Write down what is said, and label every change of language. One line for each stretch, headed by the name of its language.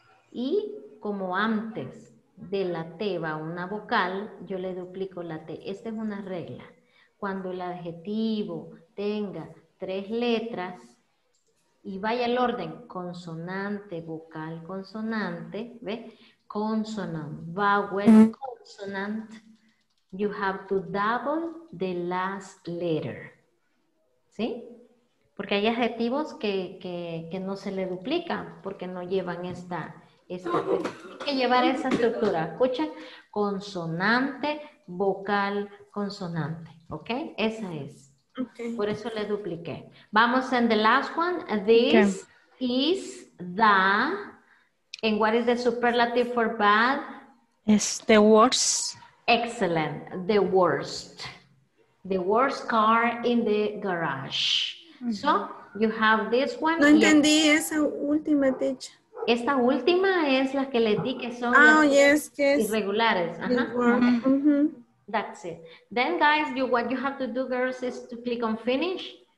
Spanish: Y como antes de la T va una vocal, yo le duplico la T. Esta es una regla. Cuando el adjetivo tenga tres letras y vaya el orden, consonante, vocal, consonante, ¿ves?
English: Consonant, vowel, consonant, you have to double the last letter.
Spanish: ¿Sí? Porque hay adjetivos que no se le duplican porque no llevan esta. Tiene que llevar esa estructura. Escucha, consonante, vocal, consonante. ¿Ok? Esa es. Okay. Por eso le dupliqué. Vamos en
English: the last one. This is the. And what is the superlative for bad? It's the worst. Excellent. The worst. The worst car in the garage. Mm-hmm. So you have this one.
Spanish: No entendí esa última, teacher. Esta última es la que le di que son irregulares. Ajá. Mm-hmm.
English: That's it. Then guys, what you have to do, girls, is to click on finish.